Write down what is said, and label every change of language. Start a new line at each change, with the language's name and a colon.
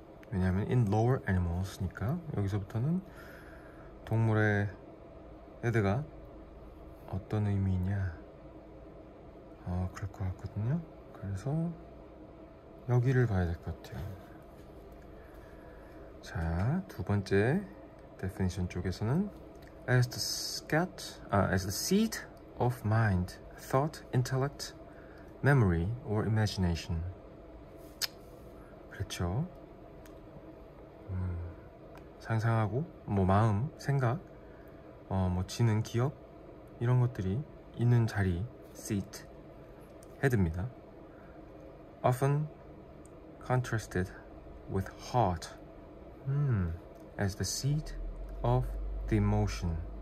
Korean: 왜냐하면
English: in lower animals
Korean: 니까 여기서부터는 동물의 헤드가 어떤 의미냐? 그럴 것 같거든요. 그래서 여기를 봐야 될 것 같아요. 자, 두 번째
English: definition 쪽에서는 as the scat, as the seat of mind, thought, intellect, memory, or imagination.
Korean: 그렇죠. 상상하고 뭐 마음, 생각, 뭐 지능, 기억 이런 것들이 있는 자리, seat, 헤드입니다.
English: Often contrasted with heart, as the seat of the emotion.